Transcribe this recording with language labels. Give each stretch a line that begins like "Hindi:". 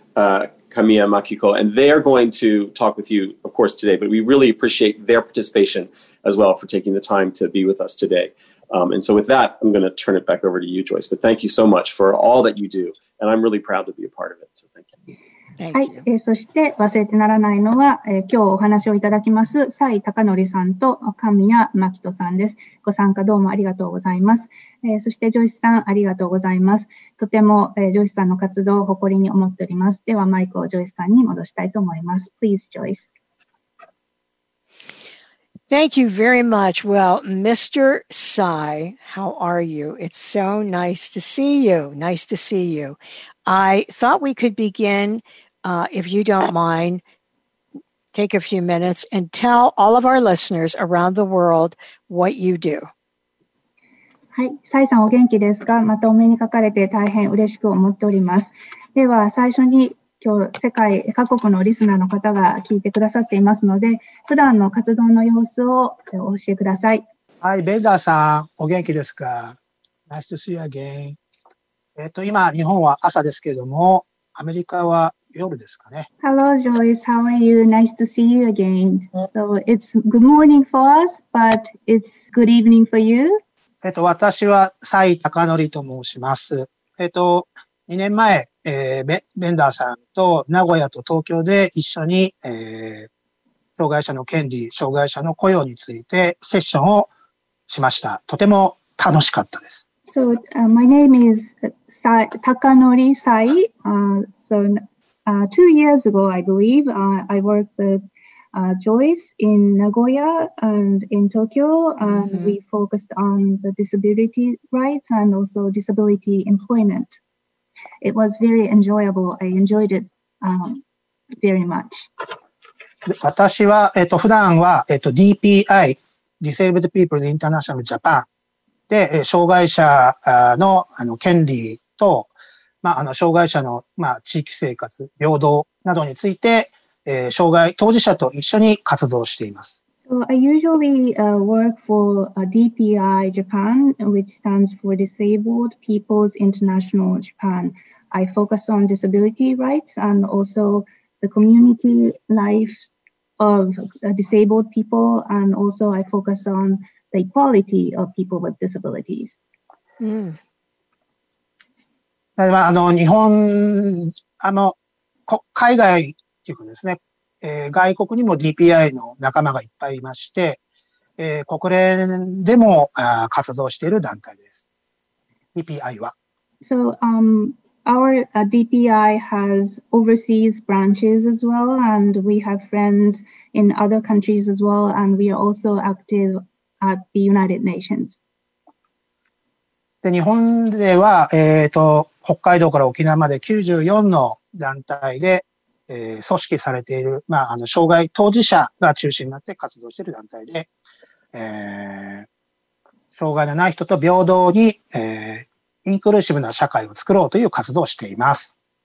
English: Kamiya Makiko, and they are going to talk with you, of course, today, but we really appreciate their participation as well for taking the time to be with us today. And so with that, I'm going to turn it back over to you, Joyce, but thank you so much for all that you do, and I'm really proud to be a part of it. So thank you. Thank you.
Japanese: はい、そして忘れてならないのは、今日お話をいただきます、蔡高則さんと神谷真紀人さんです。ご参加どうもありがとうございます。そしてジョイスさん、ありがとうございます。とても、ジョイスさんの活動を誇りに思っております。ではマイクをジョイスさんに戻したいと思います。
English: Please, Joyce. Thank you very much. Well, Mr. Sai, how are you? It's so nice to see you. Nice to see you. I thought we could begin, if you don't mind, take a few minutes and tell all of our listeners around the world what you do.
Japanese: はい、サイさんお元気ですか？またお目にかかれて大変嬉しく思っております。では最初に今日世界各国のリスナーの方が聞いてくださっていますので、普段の活動の様子をお教えください。はい、ベンダーさんお元気ですか ？
English: Nice to see you again.
Japanese: 今、日本は朝ですけれども、アメリカは夜ですかね。
English: Hello, Joyce. How are you? Nice to see you again. So, it's good morning for us, but it's good evening for you.
Japanese: 私は、蔡高則と申します。2年前、ベンダーさんと名古屋と東京で一緒に、障害者の権利、障害者の雇用についてセッションをしました。とても楽しかったです。
English: So, my name is Takanori Sai. Two years ago, I believe, I worked with Joyce in Nagoya and in Tokyo, and we focused on the disability rights and also disability employment. It was very enjoyable. I enjoyed it very much.
Japanese: 私は、普段は、DPI、Disabled People's International Japan で、障害者の、権利と、まあ、障害者の、まあ、地域生活、平等などについて、障害当事者と一緒に活動しています。
English: So I usually work for DPI Japan, which stands for Disabled People's International Japan. I focus on disability rights and also the community life of disabled people, and also I focus on the equality of people with disabilities.
Japanese: Mm. 例えば、日本、海外っていうことですね。外国にも DPI の仲間がいっぱいいまして、国連でも活動している団体です。 DPI は。
English: So, our DPI has overseas branches as well, and we have friends in other countries as well, and we are also active at the United Nations.
Japanese: で、日本では、北海道から沖縄まで94の団体で、組織されている、まあ、障害当事者が中心になって活動している団体で、障害のない人と平等に、インクルーシブな社会を作ろうという活動をしています。